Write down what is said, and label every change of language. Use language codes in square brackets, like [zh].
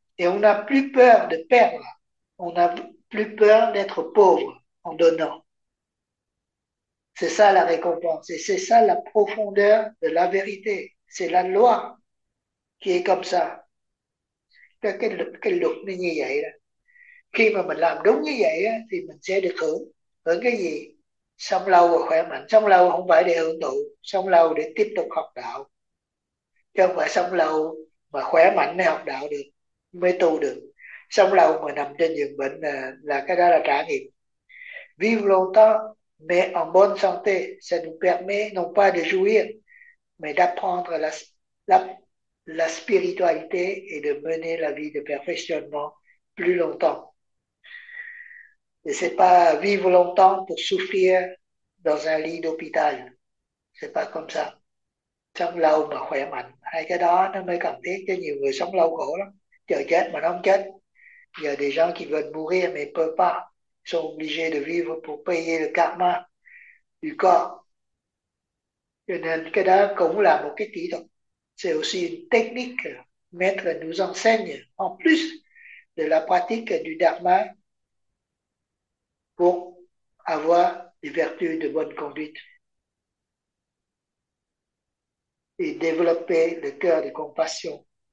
[fr] Et on n'a plus peur de perdre. On n'a plus peur d'être pauvre en donnant. C'est ça la récompense. Et c'est ça la profondeur de la vérité. C'est la loi qui est comme ça. Quelle loi [vi] nó như vậy đó. Khi mà mình làm đúng như vậy đó, thì mình sẽ được hưởng. Hưởng cái gì? Sống lâu và khỏe mạnh. Sống lâu không phải để hưởng thụ. Sống lâu để tiếp tục học đạo. Chứ không phải sống lâu mà khỏe mạnh mới học đạo được, mới tu được. Sống lâu mà nằm trên giường bệnh là cái đó là trải nghiệm. [fr] Vivre longtemps, mais en bonne santé, ça nous permet non pas de jouir, mais d'apprendre la spiritualité et de mener la vie de perfectionnement plus longtemps. Et ce n'est pas vivre longtemps pour souffrir dans un lit d'hôpital. Ce n'est pas comme ça. [vi] Sống lâu mà khỏe mạnh, hai cái đó nó mới cần thiết. Cho nhiều người sống lâu khổ lắm, chờ chết mà nó không chết. [fr] Il y a des gens qui veulent mourir mais ne peuvent pas, sont obligés de vivre pour payer le karma du corps. [vi] Cho nên cái đó cũng là một cái kỹ thuật, [fr] c'est aussi une technique maître nous enseigne en plus de la pratique du dharma pour avoir des vertus de bonne conduite et développer le cœur de compassion.